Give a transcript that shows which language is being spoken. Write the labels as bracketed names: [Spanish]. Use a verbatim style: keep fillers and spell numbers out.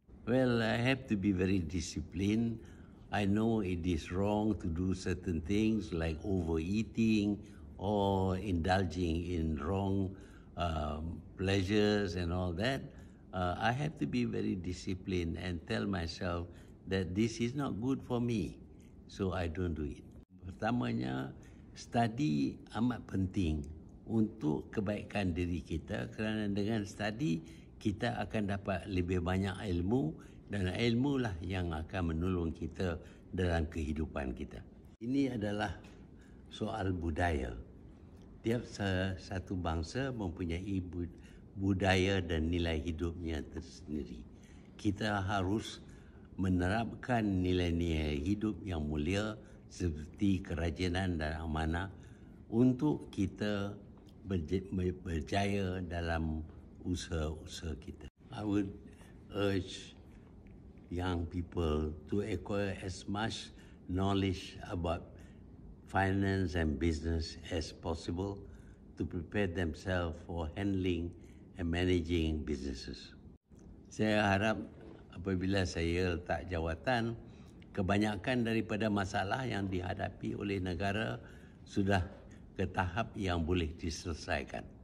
[English] Well, I have to be very disciplined. I know it is wrong to do certain things like overeating or indulging in wrong um, pleasures and all that. Uh, I have to be very disciplined and tell myself that this is not good for me, so I don't do it. [Malay] Pertamanya, study amat penting untuk kebaikan diri kita kerana dengan study, kita akan dapat lebih banyak ilmu dan ilmulah yang akan menolong kita dalam kehidupan kita. Ini adalah soal budaya. Tiap satu bangsa mempunyai budaya dan nilai hidupnya tersendiri. Kita harus menerapkan nilai-nilai hidup yang mulia seperti kerajinan dan amanah untuk kita berjaya dalam usaha-usaha kita. [English] I would urge young people to acquire as much knowledge about finance and business as possible to prepare themselves for handling and managing businesses. [Malay] Saya harap apabila saya letak jawatan, kebanyakan daripada masalah yang dihadapi oleh negara sudah ke tahap yang boleh diselesaikan.